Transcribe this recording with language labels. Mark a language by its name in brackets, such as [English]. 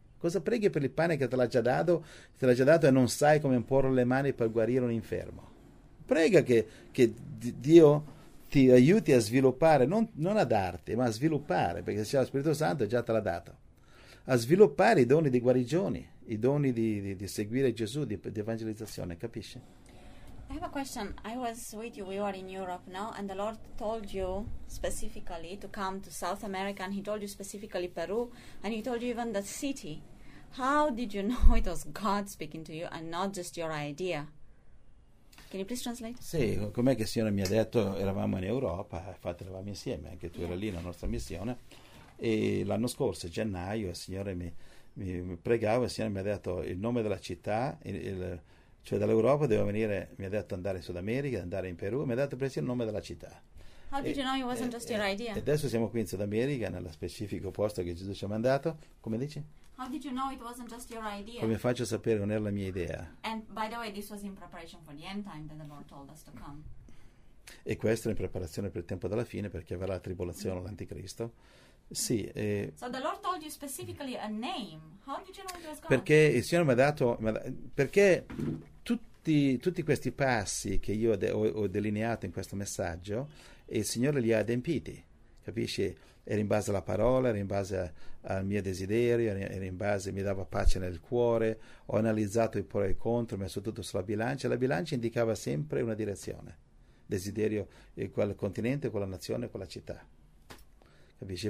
[Italian] Cosa preghi per il pane che te l'ha già dato e non sai come imporre le mani per guarire un infermo? Prega che Dio ti aiuti a sviluppare, non a darti, ma a sviluppare, perché se c'è lo Spirito Santo già te l'ha dato, a sviluppare i doni di guarigioni, i doni di seguire Gesù, di evangelizzazione, capisci? [English] I have a question. I was with you, we were in Europe, no? And the Lord told you specifically to come to South America, and He told you specifically Peru, and He told you even the city. How did you know it was God speaking to you and not just your idea? Can you please translate? [Italian] Sì, com'è che il Signore mi ha detto, eravamo in Europa, infatti eravamo insieme, anche tu eri lì nella nostra missione, e l'anno scorso, gennaio, il Signore mi pregava, il Signore mi ha detto il nome della città, cioè dall'Europa devo venire, mi ha detto andare in Sud America, andare in Perù, mi ha detto persino il nome della città. [English] How did you know it wasn't just your [Italian] E [English] idea? [Italian] adesso siamo qui in Sud America, nello specifico posto che Gesù ci ha mandato, come dici? [English] How did you know it wasn't just your idea? [Italian] Come faccio a sapere non era la mia idea? [English] And by the way, this was in preparation for the end time that the Lord told us to come. [Italian] E questo in preparazione per il tempo della fine, perché avrà la tribolazione, l'anticristo. Sì, [English] So the Lord told you specifically a name. How did you know it was God? [Italian] perché il Signore mi ha dato, perché tutti questi passi che io ho delineato in questo messaggio e il Signore li ha adempiti, capisci? Era in base alla parola, era in base al mio desiderio, era in base, mi dava pace nel cuore, ho analizzato i pro e i contro, ho messo tutto sulla bilancia, e la bilancia indicava sempre una direzione, desiderio in quel continente, quella nazione, quella città. Capisci?